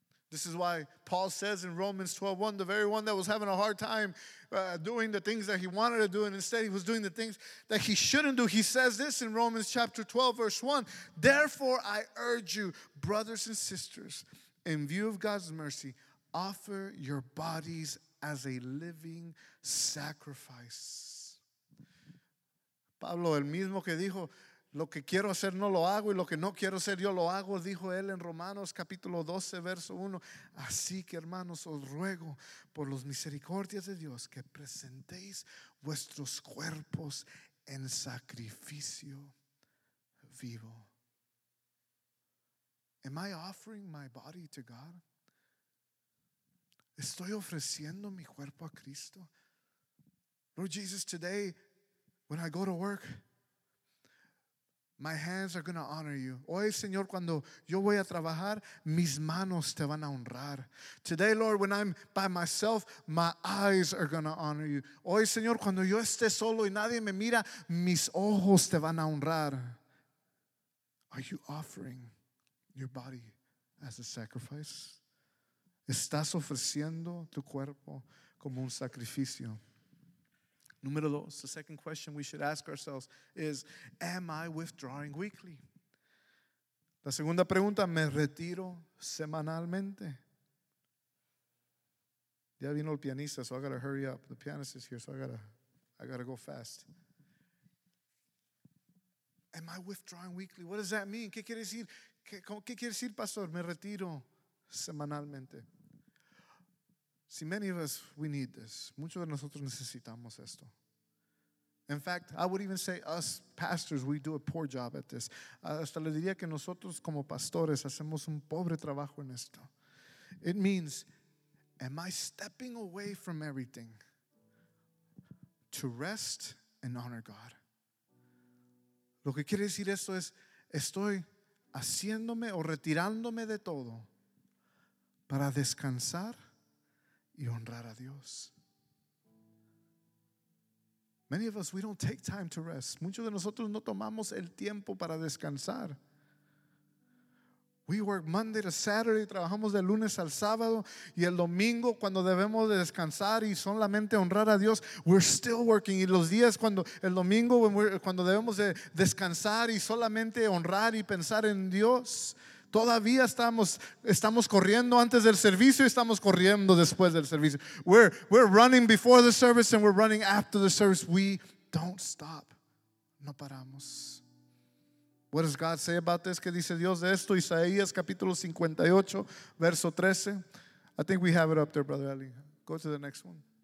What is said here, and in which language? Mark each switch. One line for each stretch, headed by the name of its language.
English: This is why Paul says in Romans 12:1, the very one that was having a hard time doing the things that he wanted to do, and instead he was doing the things that he shouldn't do. He says this in Romans chapter 12, verse 1. Therefore, I urge you, brothers and sisters, in view of God's mercy, offer your bodies as a living sacrifice.
Spanish: Pablo, el mismo que dijo, lo que quiero hacer no lo hago y lo que no quiero hacer yo lo hago, dijo él en Romanos capítulo 12, verso 1. Así que hermanos, os ruego por las misericordias de Dios que presentéis vuestros cuerpos en sacrificio vivo.
English: Am I offering my body to God?
Spanish: ¿Estoy ofreciendo mi cuerpo a Cristo?
English: Lord Jesus, today when I go to work, my hands are going to honor you.
Spanish: Hoy, Señor, cuando yo voy a trabajar, mis manos te van a honrar.
English: Today, Lord, when I'm by myself, my eyes are going to honor you.
Spanish: Hoy, Señor, cuando yo esté solo y nadie me mira, mis ojos te van a honrar.
English: Are you offering your body as a sacrifice?
Spanish: ¿Estás ofreciendo tu cuerpo como un sacrificio? Número dos,
English: the second question we should ask ourselves is, am I withdrawing weekly?
Spanish: La segunda pregunta, ¿me retiro semanalmente? Ya vino el pianista,
English: so I gotta hurry up. The pianist is here, so I gotta go fast. Am I withdrawing weekly? What does that mean?
Spanish: ¿Qué quiere decir? ¿Qué quiere decir, pastor? ¿Me retiro semanalmente?
English: See, many of us, we need this.
Spanish: Muchos de nosotros necesitamos esto.
English: In fact, I would even say us pastors, we do a poor job at this.
Spanish: Hasta le diría que nosotros como pastores hacemos un pobre trabajo en esto.
English: It means, am I stepping away from everything to rest and honor God?
Spanish: Lo que quiere decir esto es, estoy haciéndome o retirándome de todo para descansar y honrar a Dios.
English: Many of us, we don't take time to rest.
Spanish: Muchos de nosotros no tomamos el tiempo para descansar.
English: We work Monday to Saturday,
Spanish: trabajamos de lunes al sábado, y el domingo cuando debemos de descansar y solamente honrar a Dios,
English: we're still working.
Spanish: Y los días cuando el domingo cuando debemos de descansar y solamente honrar y pensar en Dios, todavía estamos corriendo antes del servicio y estamos corriendo después del servicio.
English: We're running before the service and we're running after the service. We don't stop.
Spanish: No paramos.
English: What does God say about this?
Spanish: ¿Qué dice Dios de esto? Isaías capítulo 58, verso 13.
English: I think we have it up there, Brother Ali. Go to the next one.